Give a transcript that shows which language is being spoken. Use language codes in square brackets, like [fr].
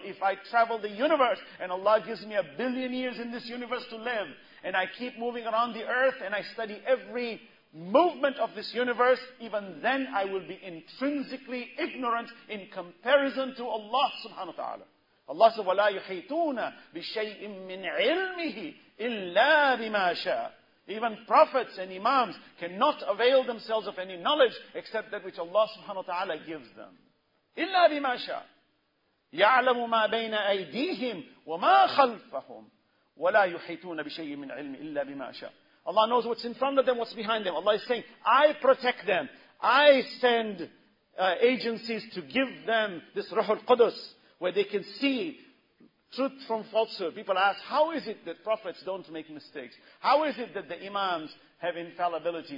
[en] If I travel the universe, and Allah gives me 1 billion years in this universe to live, and I keep moving around the earth, and I study every movement of this universe, even then I will be intrinsically ignorant in comparison to Allah subhanahu wa ta'ala. Allah says, [ar] وَلَا يُحِيطُونَ بِشَيْءٍ مِّنْ عِلْمِهِ إِلَّا بِمَا شَاءَ. [en] Even prophets and imams cannot avail themselves of any knowledge except that which Allah subhanahu wa ta'ala gives them. [ar] إِلَّا بِمَا شَاءَ. يعلم ما بين أيديهم وما خلفهم ولا يحيطون بشيء من علم إلا بما شاء. [en] Allah knows what's in front of them, what's behind them. Allah is saying, I protect them. I send agencies to give them this Ruh al-Qudus, where they can see truth from falsehood. People ask, how is it that prophets don't make mistakes? How is it that the imams have infallibility?